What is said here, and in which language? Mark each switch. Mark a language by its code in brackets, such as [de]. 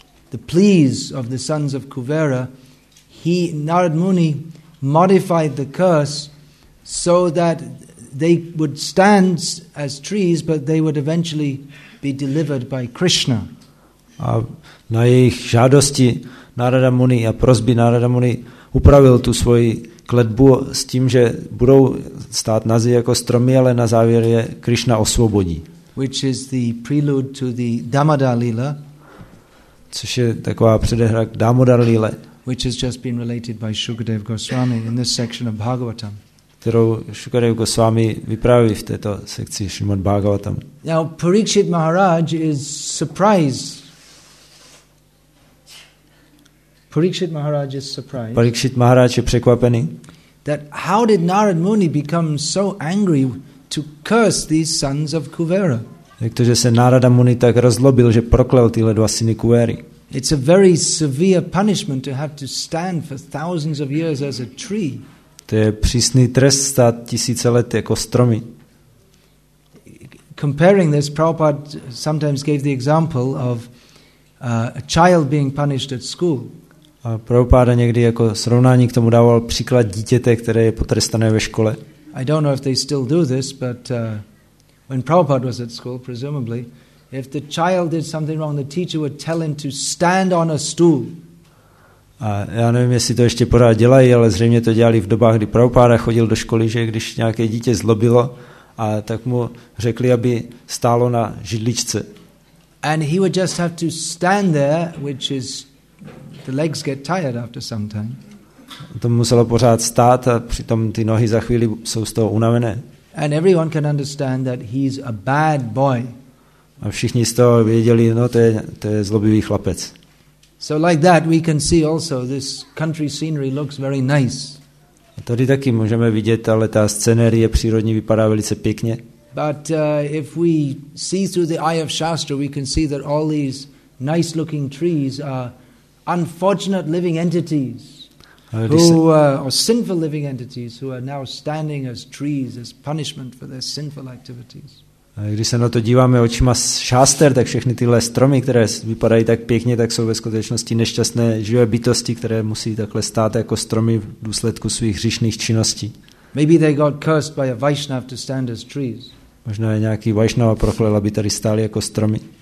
[en] The pleas of the sons of Kuvera, Narad Muni modified the curse so that they would stand as trees, but they would eventually be delivered by Krishna. [cs] A na jejich žádosti Narada Muni a prosby Narada Muni upravil tu svoji kletbu s tím, že budou stát na zemi jako stromy, ale na závěr je Krishna osvobodí. [en] Which is the prelude to the Damodar Lila. [cs] Což je taková předehra k Damodar Lile. [en] Which has just been related by Shukadev Goswami in this section of Bhagavatam. [cs] Kterou Shukadev Goswami vypráví v této sekci Srimad Bhagavatam. [en] Now Parikshit Maharaj is surprised. Parikshit Maharaj is surprised. [cs] Parikshit Maharaj je překvapený. [en] That how did Narad Muni become so angry to curse these sons of Kuvera? [cs] Jak to, že se Narada Muni tak rozlobil, že proklel tyhle dva syny Kuvery? [en] It's a very severe punishment to have to stand for thousands of years as a tree. [cs] To je přísný trest stát tisíce let jako stromy. [en] Comparing this, Prabhupada sometimes gave the example of a child being punished at school. [cs] A Prabhupada někdy jako srovnání k tomu dával příklad dítěte, které je potrestané ve škole. [en] I don't know if they still do this, but when Prabhupada was at school, presumably, if the child did something wrong, the teacher would tell him to stand on a stool. [cs] A já nevím, jestli to ještě pořád dělají, ale zřejmě to dělali v dobách, kdy Prabhupada chodil do školy, že když nějaké dítě zlobilo, a tak mu řekli, aby stálo na židličce. [en] And he would just have to stand there, which is the legs get tired after some time. [cs] To muselo pořád stát a přitom ty nohy za chvíli jsou z toho unavené. [en] And everyone can understand that he's a bad boy. [cs] A všichni z toho věděli, no to je zlobivý chlapec. [en] So like that we can see also this country scenery looks very nice. [cs] A tady taky můžeme vidět, ale ta scenérie přírodní vypadá velice pěkně. [en] But if we see through the eye of Shastra, we can see that all these nice looking trees are unfortunate living entities. Who are sinful living entities who are now standing as trees as punishment for their sinful activities. [cs] A když se na to díváme očima šáster, tak všechny tyhle stromy, které vypadají tak pěkně, tak jsou ve skutečnosti nešťastné živé bytosti, které musí takhle stát jako stromy v důsledku svých hříšných činností. [en] Maybe they got cursed by a Vaishnav to stand as trees. [cs] Možná je nějaký Vaishnava proklel, aby tady stáli jako stromy.